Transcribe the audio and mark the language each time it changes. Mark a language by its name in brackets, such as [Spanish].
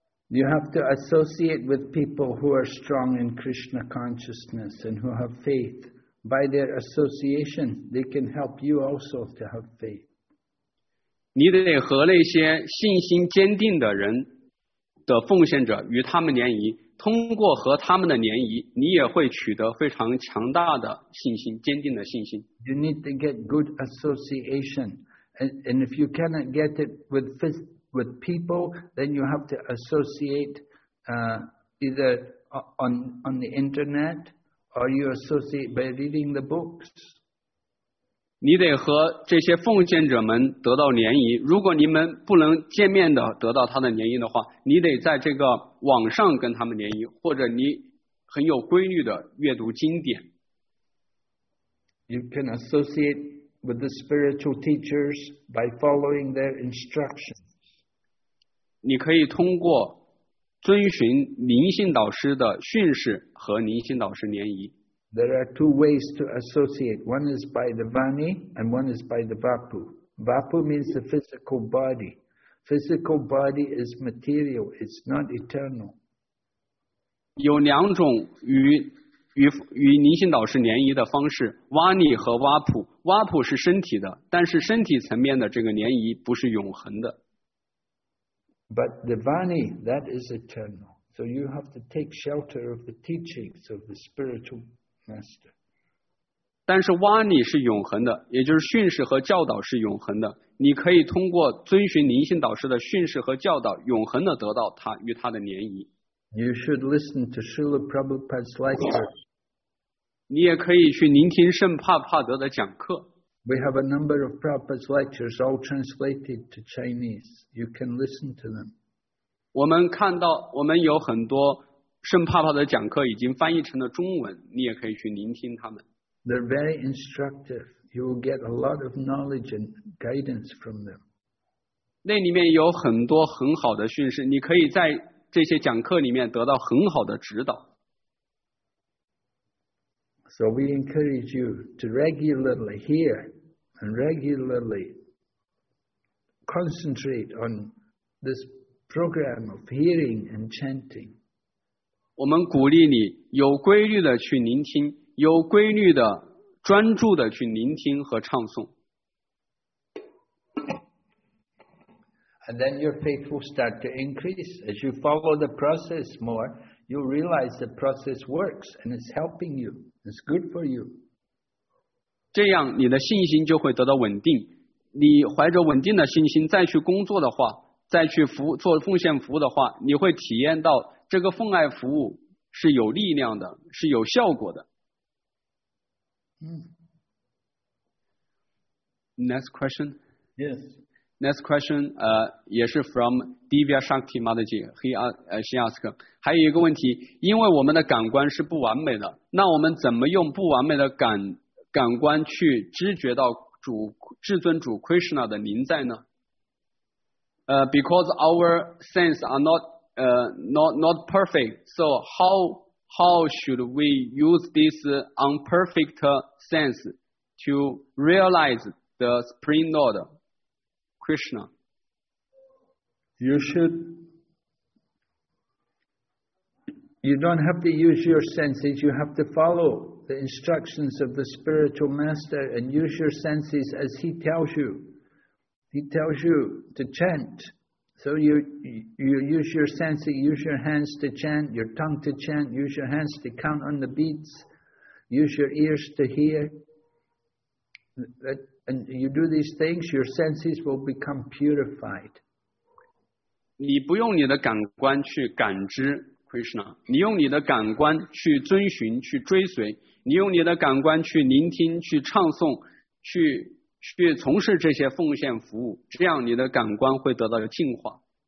[English] You have to associate with people who are strong in Krishna consciousness and who have faith by their association, they can help you also to have faith. [Chinese] 你得和那些信心坚定的人的奉献者与他们联谊，通过和他们的联谊，你也会取得非常强大的信心，坚定的信心。 [English] You need to get good association, and if you cannot get it with people, then you have to associate either on the internet or you associate by reading the books. [Chinese] 你得和这些奉献者们得到联谊。如果你们不能见面的得到他的联谊的话，你得在这个网上跟他们联谊，或者你很有规律的阅读经典。 [English] You can associate with the spiritual teachers by following their instructions. [Chinese] 你可以通过遵循灵性导师的训示和灵性导师联谊。 [English] There are two ways to associate. One is by the Vani and one is by the Vapu. Vapu means the physical body. Physical body is material. It's not eternal. [Chinese] 有两种与灵性导师联谊的方式， Vani 和 Vapu. Vapu 是身体的，但是身体层面的这个联谊不是永恒的。 [English] But the Vani, that is eternal. So you have to take shelter of the teachings of the spiritual master. [Chinese] 但是瓦尼是永恒的，也就是训示和教导是永恒的。你可以通过遵循灵性导师的训示和教导，永恒的得到他与他的联谊。 [English] You should listen to Srila Prabhupada's lecture. [Chinese] 你也可以去聆听圣帕帕德的讲课。 [English] We have a number of Prabhupada's lectures all translated to Chinese. You can listen to them. [Chinese] 我们看到我们有很多圣帕帕的讲课已经翻译成了中文，你也可以去聆听他们。 [English] They're very instructive. You will get a lot of knowledge and guidance from them. [Chinese] 那里面有很多很好的训示，你可以在这些讲课里面得到很好的指导。 [English] So we encourage you to regularly hear and regularly concentrate on this program of hearing and chanting. [Chinese] 我们鼓励你有规律的去聆听，有规律的专注的去聆听和唱诵。 [English] And then your faith will start to increase. As you follow the process more, you'll realize the process works and it's helping you. It's good for you. [Chinese] 这样你的信心就会得到稳定。你怀着稳定的信心再去工作的话，再去做奉献服务的话，你会体验到这个奉爱服务是有力量的，是有效果的。 [English] Next question. Yes. Next question. [Chinese] 也是 [English] from Divya Shakti Mataji. She asked. [Chinese] 还有一个问题，因为我们的感官是不完美的，那我们怎么用不完美的感官去知觉到主至尊主 Krishna 的临在呢？ [English] Because our senses are not perfect. So how should we use this imperfect sense to realize the Supreme Lord, Krishna? You don't have to use your senses. You have to follow the instructions of the spiritual master and use your senses as he tells you. He tells you to chant. So you use your senses, use your hands to chant, your tongue to chant, use your hands to count on the beats, use your ears to hear. And you do these things, your senses will become purified. [Chinese] 你不用你的感官去感知 Krishna, 你用你的感官去遵循，去追随，你用你的感官去聆听，去唱诵，去从事这些奉献服务，这样你的感官会得到净化。